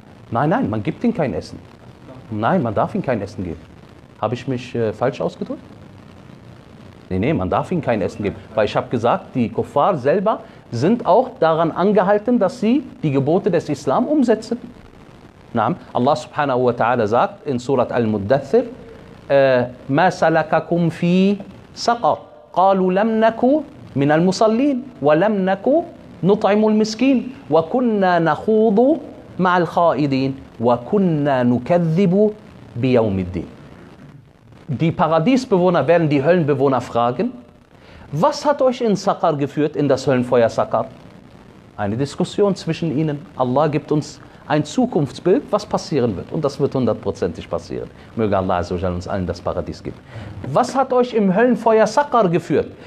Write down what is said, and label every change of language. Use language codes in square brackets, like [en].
[de] Nein, man gibt ihm kein Essen. Nein, man darf ihm kein Essen geben. Habe ich mich falsch ausgedrückt? Nee, man darf ihm kein Essen geben. Weil ich habe gesagt, die Kuffar selber sind auch daran angehalten, dass sie die Gebote des Islam umsetzen. [ar] Naam. Allah subhanahu wa ta'ala [de] sagt in [ar] Surat Al-Muddathir, مَا سَلَكَكُمْ فِي سَقَرْ قَالُوا لَمْ نَكُوا مِنَ الْمُصَلِّينَ وَلَمْ نَكُوا نُطْعِمُ الْمِسْكِينَ وَكُنَّا نَخُوضُ مع الخائدين وكنا نكذب بيوم الدين. [de] Die Paradiesbewohner werden die Höllenbewohner fragen: Was hat euch in Saqar geführt, in das Höllenfeuer Saqar? Eine Diskussion zwischen ihnen. Allah gibt uns ein Zukunftsbild, was passieren wird. Und das wird hundertprozentig passieren. Möge Allah uns allen das Paradies geben. Was hat euch im Höllenfeuer Saqqar geführt?